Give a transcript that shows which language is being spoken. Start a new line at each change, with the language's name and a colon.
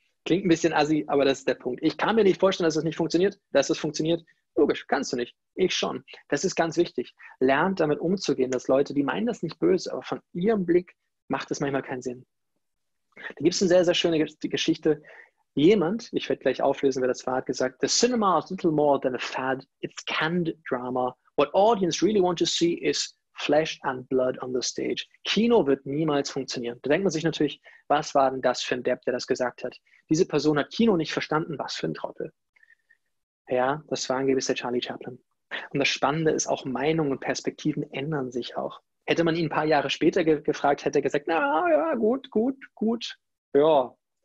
German: Klingt ein bisschen assi, aber das ist der Punkt. Ich kann mir nicht vorstellen, dass das nicht funktioniert, dass das funktioniert. Logisch, kannst du nicht. Ich schon. Das ist ganz wichtig. Lernt damit umzugehen, dass Leute, die meinen das nicht böse, aber von ihrem Blick macht es manchmal keinen Sinn. Da gibt es eine sehr, sehr schöne Geschichte. Jemand, ich werde gleich auflösen, wer das war, hat gesagt,
English: the cinema is little more than a fad. It's canned drama. What audience really want to see is flesh and blood on the stage.
German: Kino wird niemals funktionieren. Da denkt man sich natürlich, was war denn das für ein Depp, der das gesagt hat? Diese Person hat Kino nicht verstanden. Was für ein Trottel. Ja, das war angeblich der Charlie Chaplin. Und das Spannende ist, auch Meinungen und Perspektiven ändern sich auch. Hätte man ihn ein paar Jahre später gefragt, hätte er gesagt, na ja, gut, ja.